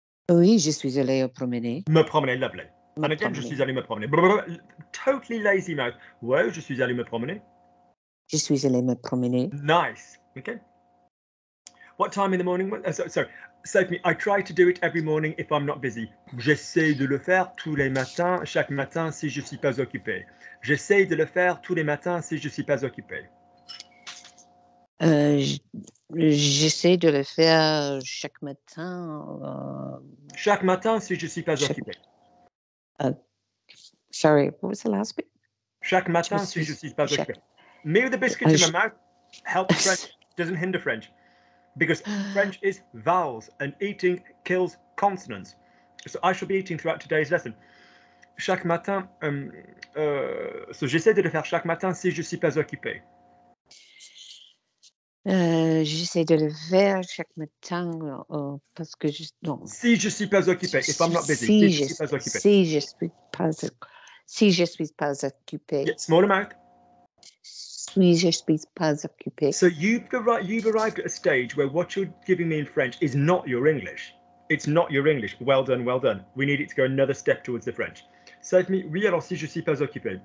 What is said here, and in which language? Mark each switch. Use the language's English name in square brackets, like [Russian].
[French] Oui, je suis allé me promener. Me promener, lovely. Me and again, promener. Je suis allé me promener. [English] Blah, blah, blah, totally lazy mouth. [French] Ouais, je suis allé me promener. Je suis allé me promener. [English] Nice. Okay. What time in the morning? Save me. I try to do it every morning if I'm not busy. [French] J'essaie de le faire tous les matins, chaque matin, si je ne suis pas occupé. J'essaie de le faire tous les matins si je ne suis pas occupé. J'essaie de le faire chaque matin. Chaque matin si je ne suis pas occupé. [English] Sorry, what was the last bit? [French] Chaque matin si je ne suis pas occupé. [English] Me with the biscuit in my mouth helps French, doesn't hinder French. because French is vowels and eating kills consonants. So I shall be eating throughout today's lesson. [French] Chaque matin, so j'essaie de le faire chaque matin si je suis pas occupé. J'essaie de le faire chaque matin parce que je, non. Si je suis pas occupé, [English] if I'm not busy, [French] si je suis pas occupé. Si je suis pas occupé. Si je suis pas occupé. [English] Yeah, small amount. [French] Si je suis pas occupé. [English] So you've arrived at a stage where what you're giving me in French is not your English. It's not your English. Well done, well done. We need it to go another step towards the French. [French] Ça veut dire, oui, alors si je suis pas occupé.